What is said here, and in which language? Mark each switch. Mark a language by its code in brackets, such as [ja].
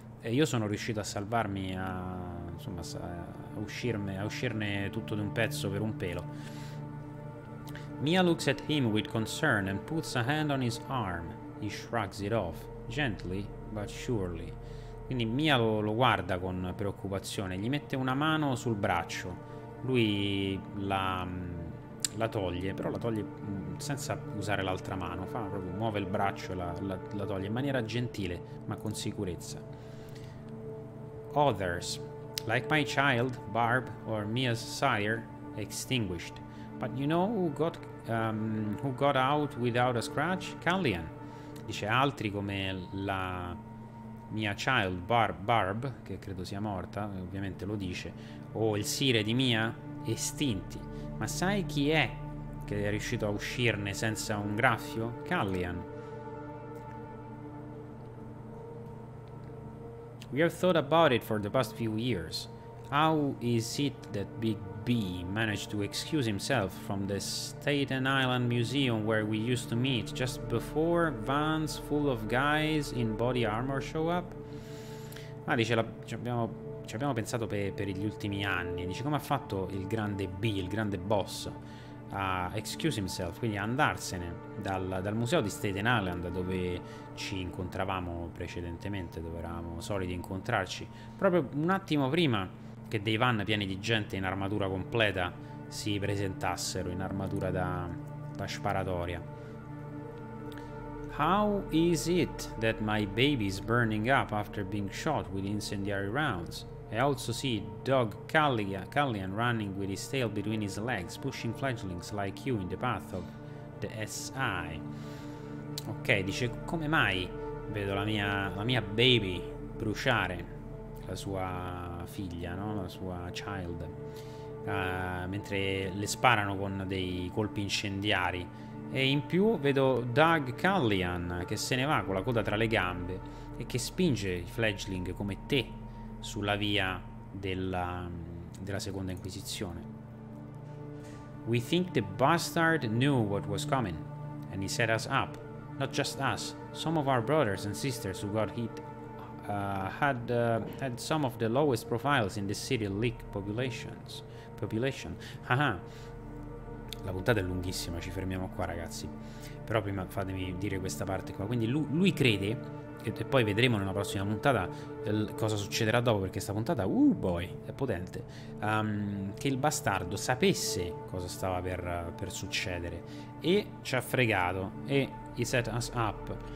[it] E io sono riuscito a salvarmi, insomma, a uscirne tutto di un pezzo per un pelo. [en] Mia looks at him with concern and puts a hand on his arm. He shrugs it off, gently but surely. [it] Quindi Mia lo guarda con preoccupazione, gli mette una mano sul braccio, Lui la toglie, però la toglie senza usare l'altra mano, fa proprio, muove il braccio e la toglie in maniera gentile, ma con sicurezza. [en] Others, like my child, Barb, or Mia's sire, extinguished. But you know who got out without a scratch? Kallian. [it] Dice altri come la mia child, Barb, che credo sia morta, ovviamente lo dice, o il sire di Mia, estinti. Ma sai chi è che è riuscito a uscirne senza un graffio? Kallian. [en] We have thought about it for the past few years. How is it that Big B managed to excuse himself from the Staten Island Museum where we used to meet just before vans full of guys in body armor show up? [it] Ah, dice, ci abbiamo pensato per gli ultimi anni. Dice, come ha fatto il grande B, il grande boss, a [en] excuse himself, [it] quindi a andarsene dal museo di Staten Island dove ci incontravamo precedentemente, dove eravamo soliti incontrarci, proprio un attimo prima che dei van pieni di gente in armatura completa si presentassero in armatura da sparatoria. [en] How is it that my baby's burning up after being shot with incendiary rounds? I also see dog Kallian running with his tail between his legs, pushing fledglings like you in the path of the SI. [it] Ok, dice, come mai vedo la mia baby bruciare, la sua figlia, no? La sua child, mentre le sparano con dei colpi incendiari. E in più vedo Doug Kallian che se ne va con la coda tra le gambe e che spinge i fledgling come te sulla via della seconda inquisizione. [en] We think the bastard knew what was coming, and he set us up. Not just us, some of our brothers and sisters who got hit had some of the lowest profiles in the city leak populations. Population. [it] Ah, la puntata è lunghissima, ci fermiamo qua, ragazzi. Però prima fatemi dire questa parte qua. Quindi lui crede. E poi vedremo nella prossima puntata cosa succederà dopo, perché questa puntata, boy, è potente. Che il bastardo sapesse cosa stava per succedere e ci ha fregato e [en] he set us up.